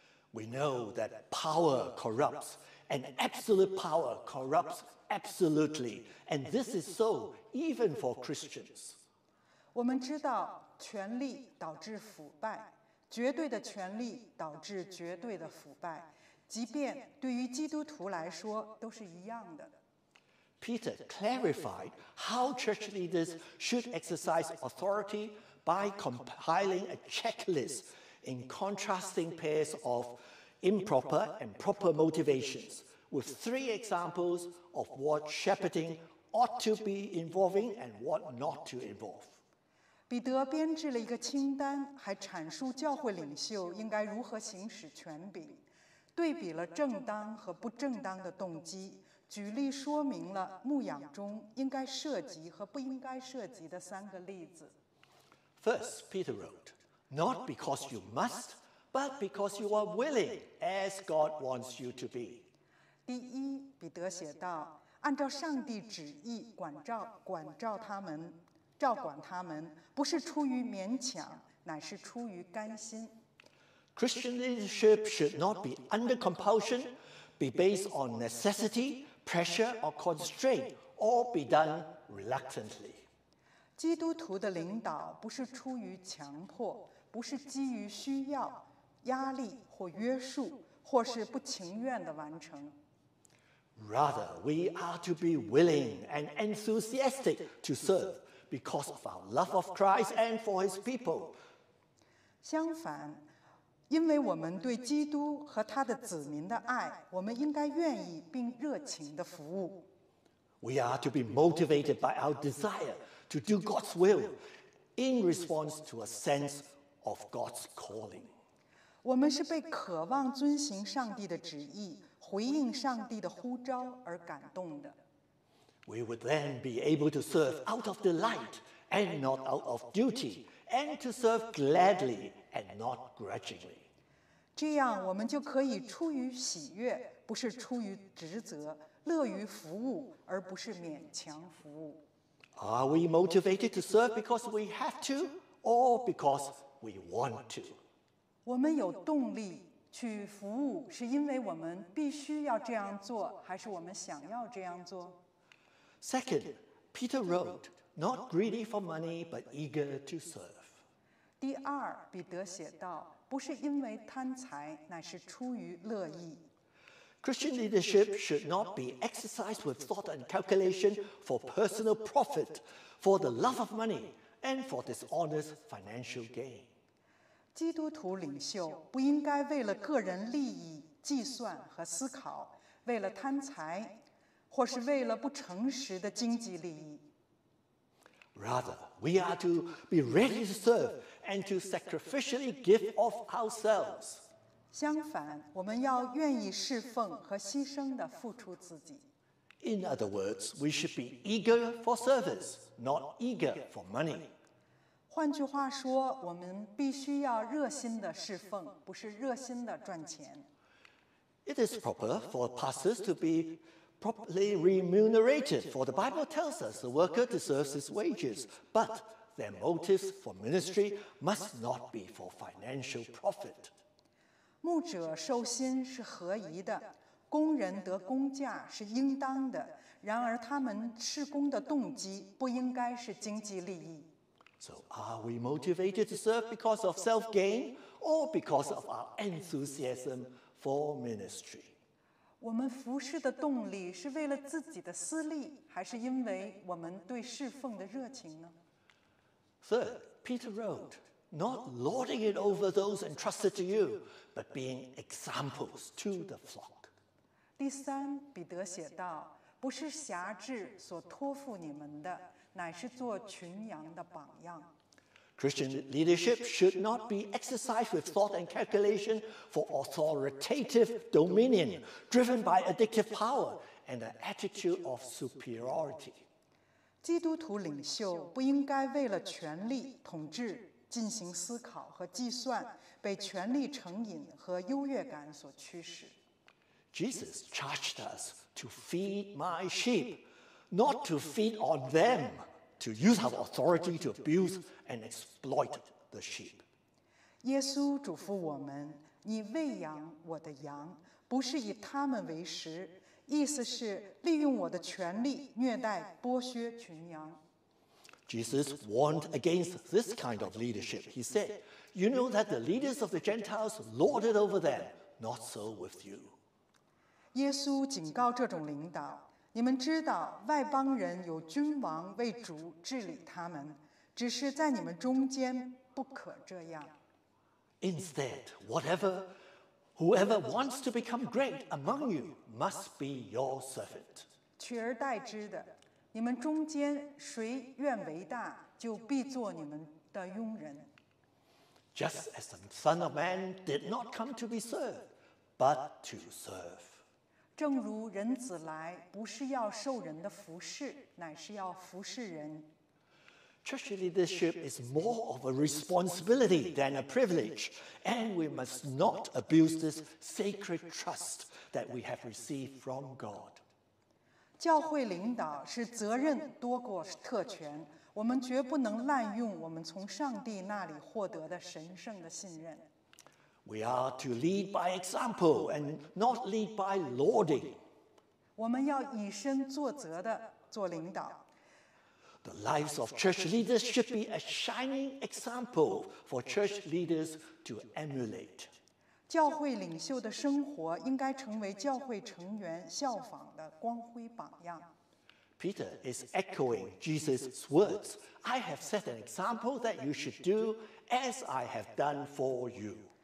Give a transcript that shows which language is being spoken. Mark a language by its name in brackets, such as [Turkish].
[English] We know that power corrupts, and absolute power corrupts absolutely, and this is so even for Christians. [Chinese] 我们知道权力导致腐败，绝对的权力导致绝对的腐败，即便对于基督徒来说都是一样的。 [English] Peter clarified how church leaders should exercise authority by compiling a checklist in contrasting pairs of improper and proper motivations, with three examples of what shepherding ought to be involving and what not to involve. [Chinese] 彼得编制了一个清单，还阐述教会领袖应该如何行使权柄，对比了正当和不正当的动机，举例说明了牧养中应该涉及和不应该涉及的三个例子。 [English] First, Peter wrote, not because you must, but because you are willing, as God wants you to be. [Chinese] 第一，彼得写道，按照上帝旨意照管他们，不是出于勉强，乃是出于甘心。 [English] Christian leadership should not be under compulsion, be based on necessity, pressure, or constraint, or be done reluctantly. [Chinese] 基督徒的领导不是出于强迫，不是基于需要、压力或约束，或是不情愿的完成。 [English] Rather, we are to be willing and enthusiastic to serve because of our love of Christ and for His people. [Chinese] 相反，因为我们对基督和他的子民的爱，我们应该愿意并热情地服务。 [English] We are to be motivated by our desire to do God's will in response to a sense of God's calling. [Chinese] 我们是被渴望遵行上帝的旨意，回应上帝的呼召而感动的。 [English] We would then be able to serve out of delight and not out of duty, and to serve gladly and not grudgingly. [Chinese] 这样我们就可以出于喜悦，不是出于职责，乐于服务，而不是勉强服务。 [English] Are we motivated to serve because we have to, or because we want to? [Chinese] 我们有动力去服务，是因为我们必须要这样做，还是我们想要这样做？ [English] Second, Peter wrote, not greedy for money, but eager to serve. [Chinese] 第二，彼得写道，不是因为贪财，乃是出于乐意。 [English] Christian leadership should not be exercised with thought and calculation for personal profit, for the love of money, and for dishonest financial gain. [Chinese] 基督徒领袖不应该为了个人利益计算和思考，为了贪财，或是为了不诚实的经济利益。 [English] Rather, we are to be ready to serve and to sacrificially give of ourselves. [Chinese] 相反，我们要愿意侍奉和牺牲地付出自己。 [English] In other words, we should be eager for service, not eager for money. [Chinese] 换句话说，我们必须要热心地侍奉，不是热心地赚钱。 [English] It is proper for pastors to be properly remunerated, for the Bible tells us the worker deserves his wages, but their motives for ministry must not be for financial profit. [Chinese] 牧者受薪是合宜的，工人得工价是应当的，然而他们事工的动机不应该是经济利益。 [English] So are we motivated to serve because of self-gain or because of our enthusiasm for ministry? [Chinese] 我们服侍的动力是为了自己的私利，还是因为我们对侍奉的热情呢？ [English] Third, Peter wrote, not lording it over those entrusted to you, but being examples to the flock. [Chinese] 第三，彼得写道，不是辖制所托付你们的，乃是做群羊的榜样。 [English] Christian leadership should not be exercised with thought and calculation for authoritative dominion, driven by addictive power and an attitude of superiority. [Chinese] 基督徒领袖不应该为了权力统治进行思考和计算，被权力成瘾和优越感所驱使。 [English] Jesus charged us to feed my sheep, not to feed on them. To use our authority to abuse and exploit the sheep. [Chinese] 耶稣嘱咐我们，你喂养我的羊，不是以他们为食，意思是利用我的权力虐待剥削群羊。 [English] Jesus warned against this kind of leadership. He said, you know that the leaders of the Gentiles lord it over them, not so with you. [Chinese] 耶稣警告这种领导，你们知道外邦人有君王为主治理他们，只是在你们中间不可这样。 [English] Instead, whoever wants to become great among you must be your servant. [Chinese] 取而代之的，你们中间谁愿为大，就必做你们的佣人。 [English] Just as the Son of Man did not come to be served, but to serve. [Chinese] 正如人子来，不是要受人的服侍，乃是要服侍人。 [English] Church leadership is more of a responsibility than a privilege, and we must not abuse this sacred trust that we have received from God. [Chinese] 教会领导是责任多过特权，我们绝不能滥用我们从上帝那里获得的神圣的信任。 [English] We are to lead by example and not lead by lording. [Chinese] 我们要以身作则的做领导。 [English] The lives of church leaders should be a shining example for church leaders to emulate. [Chinese] 教会领袖的生活应该成为教会成员效仿的光辉榜样。 [English] Peter is echoing Jesus' words, I have set an example that you should do as I have done for you.